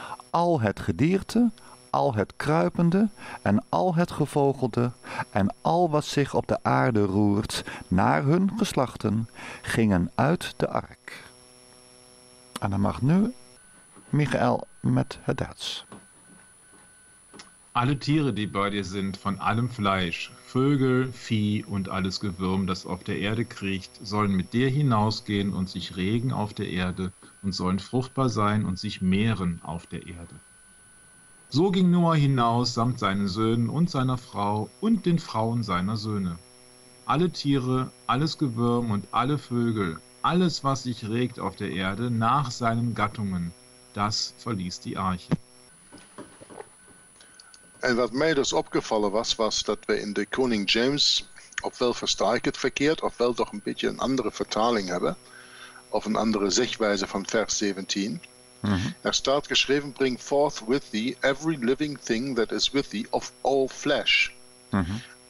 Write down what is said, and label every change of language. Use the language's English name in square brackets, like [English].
[Dutch] Al het gedierte, al het kruipende en al het gevogelde en al wat zich op de aarde roert naar hun geslachten gingen uit de ark. En dan mag nu Michael met het Duits. [German] Alle Tiere, die bei dir sind, von allem Fleisch, Vögel, Vieh und alles Gewürm, das auf der Erde kriecht, sollen mit dir hinausgehen und sich regen auf der Erde und sollen fruchtbar sein und sich mehren auf der Erde. So ging Noah hinaus samt seinen Söhnen und seiner Frau und den Frauen seiner Söhne. Alle Tiere, alles Gewürm und alle Vögel, alles, was sich regt auf der Erde nach seinen Gattungen, das verließ die Arche. [Dutch] En wat mij dus opgevallen was, was dat we in de Koning James ofwel verstaan ik het verkeerd, ofwel toch een beetje een andere vertaling hebben, of een andere zichtwijze van vers 17. Mm-hmm. Er staat geschreven, [English] bring forth with thee every living thing that is with thee of all flesh. Mm-hmm.